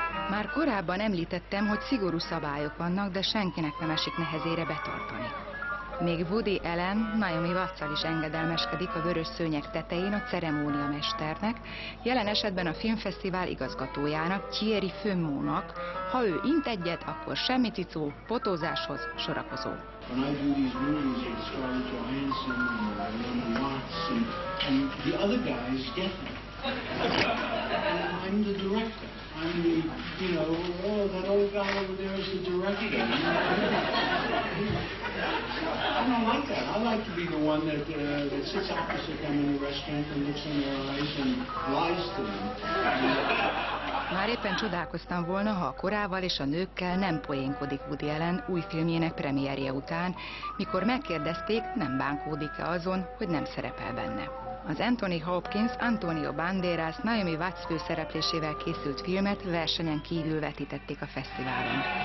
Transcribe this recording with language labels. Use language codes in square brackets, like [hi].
[hu] Már korábban említettem, hogy szigorú szabályok vannak, de senkinek nem esik nehezére betartani. Még Woody Allen, Naomi Watts-szal is engedelmeskedik a vörös szőnyek tetején a ceremónia mesternek, jelen esetben a filmfesztivál igazgatójának, Thierry Fumeau-nak. Ha ő int egyet, akkor semmi cicó, potózáshoz sorakozó. [en] When I do these movies with Scarlett Johansson and Naomi Watts and the other guys get me. I'm the director. I'm the, you know, oh, that old guy over there is the director. I don't like that. I like to be the one that that sits opposite them in the restaurant and looks in their eyes and lies to them. [hu] Már éppen csodálkoztam volna, ha a korával és a nőkkel nem poénkodik Woody Allen új filmjének premierje után, mikor megkérdezték, nem bánkódik-e azon, hogy nem szerepel benne. Az Anthony Hopkins, Antonio Banderas, Naomi Watts főszereplésével készült filmet versenyen kívül vetítették a fesztiválon.